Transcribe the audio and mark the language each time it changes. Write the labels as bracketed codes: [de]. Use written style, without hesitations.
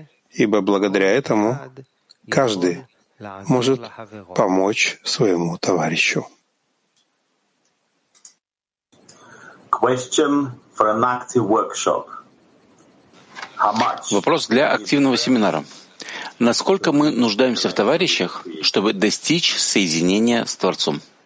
[ru] Ибо благодаря этому каждый может помочь своему товарищу. [en] Question for an active workshop. How much? [ru] Вопрос для активного семинара. Насколько мы нуждаемся в товарищах, чтобы достичь соединения с Творцом?